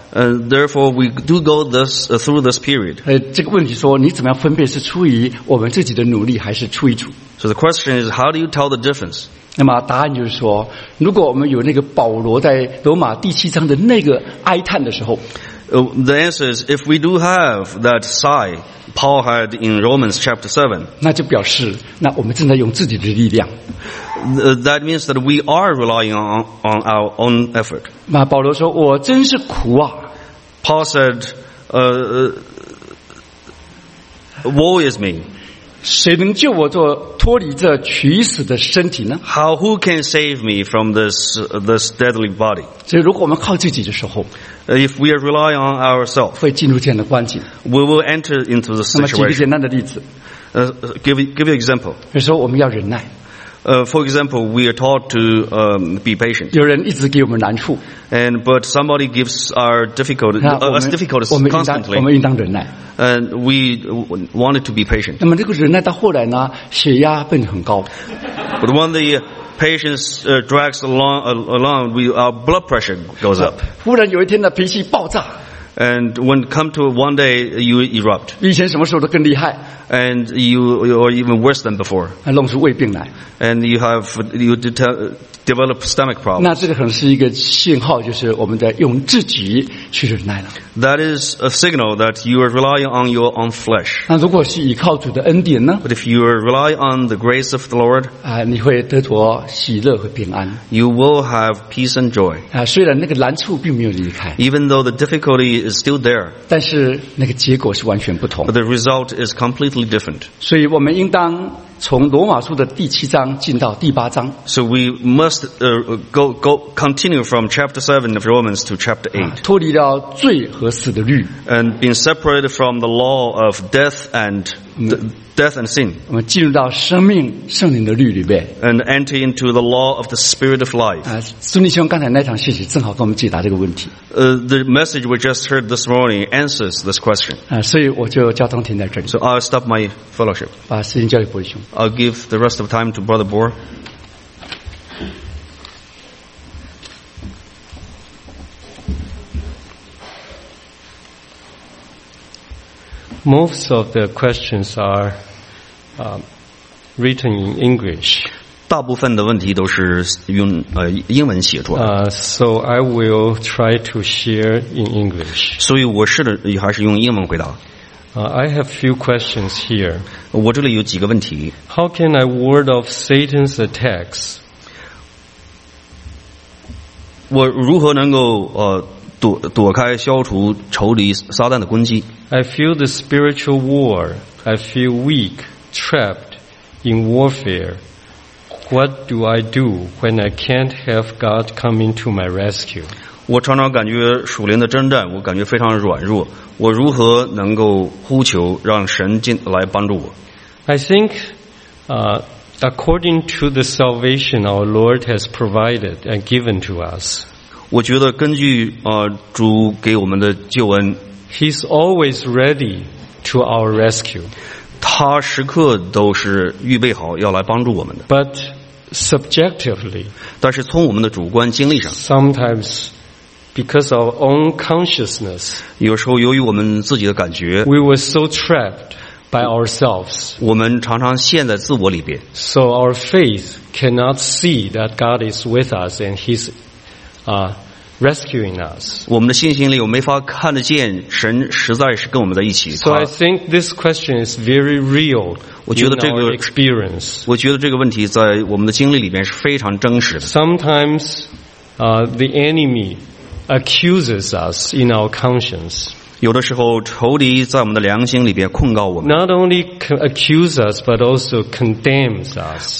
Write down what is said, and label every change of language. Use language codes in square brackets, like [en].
[en] Therefore, we do go this through this period. [zh] 这个问题说，你怎么样分辨是出于我们自己的努力，还是出于主 [en] ？So the question is, how do you tell the difference? [zh] 那么答案就是说，如果我们有那个保罗在罗马第七章的那个哀叹的时候 [en] ，The answer is, if we do have that sigh. Paul had in Romans chapter 7. [zh] 那就表示，那我们正在用自己的力量。 [en] That means that we are relying on our own effort. [zh] 那保罗说，我真是苦啊。 [en] Paul said, woe is me. [zh] 谁能救我做脱离这取死的身体呢 [en] ？How who can save me from this deadly body? [zh] 所以如果我们靠自己的时候。 [en] If we are relying on ourselves, [zh] 会进入这样的光景。 [en] We will enter into the situation. [zh] 那么举个简单的例子。 [en] Give you an example. [zh] 比如说我们要忍耐。 [en] For example, we are taught to be patient. [zh] 有人一直给我们难处。 [en] And but somebody gives our difficulties constantly. [zh] 我们应当忍耐。 [en] And we wanted to be patient. [zh] 那么这个忍耐到后来呢，血压变得很高。 [en] But when the patience drags along, our blood pressure goes up. [zh] 忽然有一天呢，脾气爆炸。 [en] And when come to one day, you erupt. [zh] 以前什么时候都更厉害。 [en] And you are even worse than before. [zh] 弄出胃病来。 [en] And you develop stomach problems. [zh] 那这个可能是一个信号，就是我们在用自己去忍耐了。 [en] That is a signal that you are relying on your own flesh. [zh] 那如果是依靠主的恩典呢？ [en] But if you rely on the grace of the Lord, [zh] 你会得着喜乐和平安。 [en] You will have peace and joy. [zh] 虽然那个难处并没有离开。 [en] Even though the difficulty is still there. [zh] 但是那个结果是完全不同。 [en] But the result is completely different. [zh] 所以我们应当从罗马书的第七章进到第八章。 [en] So we must go continue from chapter 7 of Romans to chapter 8. [zh] 脱离了罪和死的律。 [en] And being separated from the law of death and sin. [zh] 我们进入到生命圣灵的律里面。 [en] And enter into the law of the spirit of life. [zh] 孙立兄刚才那场信息正好跟我们解答这个问题。 [en] The message we just heard this morning answers this question. [zh] 所以我就交通停在这里。 [en] So I'll stop my fellowship. [zh] 把时间交给伯利兄。 [en] I'll give the rest of time to Brother Bohr. [zh] 大部分的问题都是 [en] written in English. [zh] 大部分的问题都是用英文写出来。 [en] So I will try to share in English. [zh] 所以我试着还是用英文回答。 [en] I have few questions here. [zh] 我这里有几个问题。 [en] How can I ward off Satan's attacks? [zh] 我如何能够躲开消除仇敌撒旦的攻击？ [en] I feel the spiritual war. I feel weak, trapped in warfare. What do I do when I can't have God come into my rescue? [zh] 我常常感觉属灵的征战，我感觉非常软弱。我如何能够呼求让神进来帮助我？ [en] I think, according to the salvation our Lord has provided and given to us. [zh] 我觉得根据主给我们的救恩。 [en] He's always ready to our rescue. [zh] 他时刻都是预备好要来帮助我们的。 [en] But subjectively, [zh] 但是从我们的主观经历上 [en] ，sometimes because of our own consciousness, [zh] 有时候由于我们自己的感觉 [en] ，we were so trapped by ourselves. [zh] 我们常常陷在自我里边。 [en] So our faith cannot see that God is with us and He's, rescuing us. [zh] 我们的信心里，我没法看得见神实在是跟我们在一起。 [en] So I think this question is very real. [zh] 我觉得这个 [en] experience. [zh] 我觉得这个问题在我们的经历里面是非常真实的。 [en] Sometimes, the enemy accuses us in our conscience. [zh] 有的时候，仇敌在我们的良心里边控告我们。 [en] Not only accuse us, but also condemns us.